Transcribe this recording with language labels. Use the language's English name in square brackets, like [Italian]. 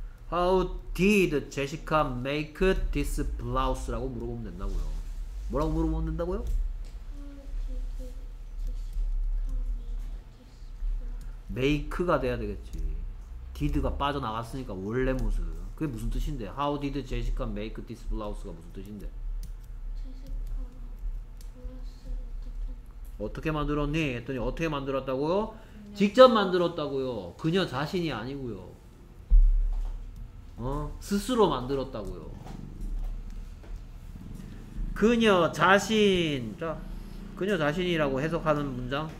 [Korean] 라고 물어보면 된다고요. 뭐라고 물어보면 된다고요? 메이크가 돼야 되겠지. 디드가 빠져나갔으니까 원래 모습. 그게 무슨 뜻인데? [English] How did Jessica make this blouse가 [Korean] 무슨 뜻인데? 어떻게 만들었니? 했더니 어떻게 만들었다고요? 직접 만들었다고요. 그녀 자신이 아니고요. 어? 스스로 만들었다고요. 그녀 자신. 자, 그녀 자신이라고 해석하는 문장?